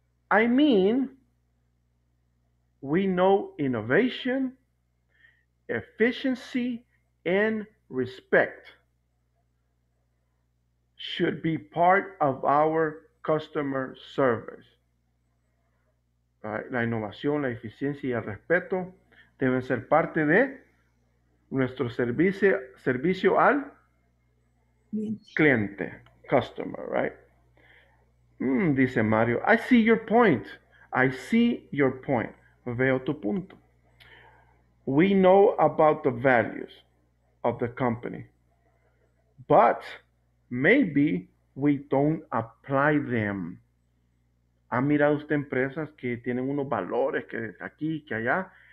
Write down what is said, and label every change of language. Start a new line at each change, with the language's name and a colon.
English: I mean, we know innovation, efficiency, and respect should be part of our customer service.
Spanish: La innovación, la eficiencia y el respeto deben ser parte de nuestro servicio al Cliente,
English: customer, right?
Spanish: Dice Mario,
English: I see your point. I see your point.
Spanish: Veo tu punto.
English: We know about the values of the company, but maybe we don't apply them.
Spanish: ¿Ha mirado usted empresas que tienen unos valores que aquí, que allá?